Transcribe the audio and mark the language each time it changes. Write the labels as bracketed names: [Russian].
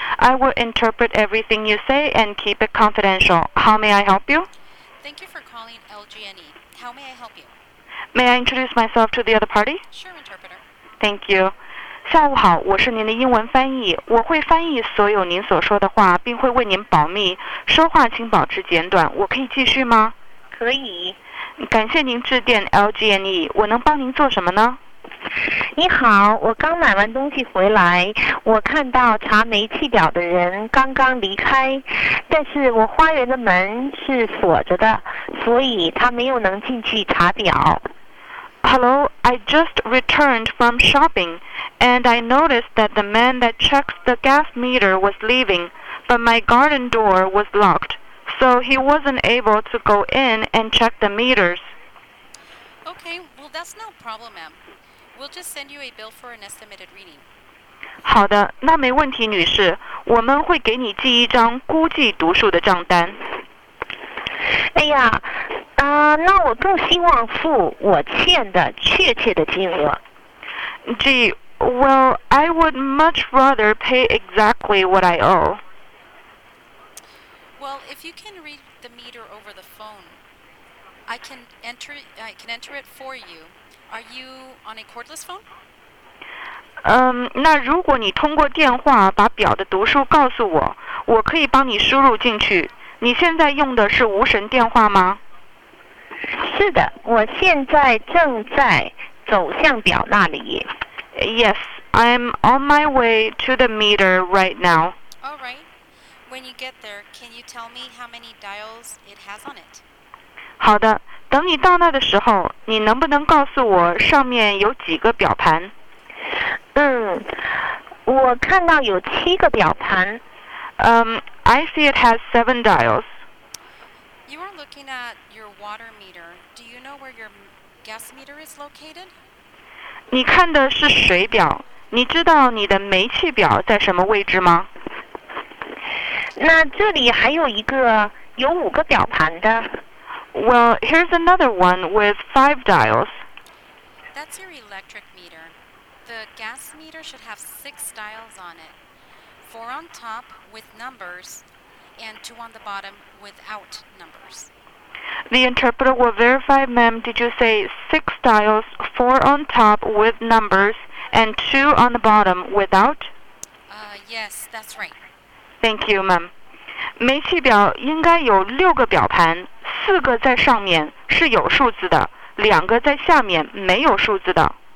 [English] I will interpret everything you say and keep it confidential. How may I help you? Thank you for calling LGNE. How may I help you? May I introduce myself to the other party? Sure, interpreter. Thank you. [Chinese] 下午好，我是您的英文翻译，我会翻译所有您所说的话，并会为您保密。说话请保持简短，我可以继续吗？可以。感谢您致电 LGNE， 我能帮您做什么呢？你好，我刚买完东西回来，我看到查煤气表的人刚刚离开，但是我花园的门是锁着的，所以他没有能进去查表。 [English] Hello, I just returned from shopping, and I noticed that the man that checks the gas meter was leaving, but my garden door was locked, so he wasn't able to go in and check the meters. Okay, well that's no problem, ma'am. We'll just send you a bill for an estimated reading. [Chinese] 好的，那没问题，女士。我们会给你寄一张估计读数的账单。哎呀，那我更希望付我欠的确切的金额。 [English] Gee, well, I would much rather pay exactly what I owe. Well, if you can read the meter over the phone, I can enter it for you. Are you on a cordless phone? [Chinese] 那如果你通过电话把表的读数告诉我，我可以帮你输入进去。你现在用的是无绳电话吗？是的，我现在正在走向表那里。 [English] Yes, I'm on my way to the meter right now. All right. When you get there, can you tell me how many dials it has on it? [Chinese] 好的，等你到那的时候，你能不能告诉我上面有几个表盘？我看到有七个表盘。 [English] I see it has 7 dials. You are looking at your water meter. Do you know where your gas meter is located? [Chinese] 你看的是水表，你知道你的煤气表在什么位置吗？那这里还有一个有五个表盘的。 [English] Well, here's another one with 5 dials. That's your electric meter. The gas meter should have 6 dials on it. 4 on top with numbers, and 2 on the bottom without numbers. The interpreter will verify, ma'am, did you say 6 dials, 4 on top with numbers, and 2 on the bottom without? Yes, that's right. Thank you, ma'am. [Chinese] 煤气表应该有6个表盘，4个在上面是有数字的，2个在下面没有数字的。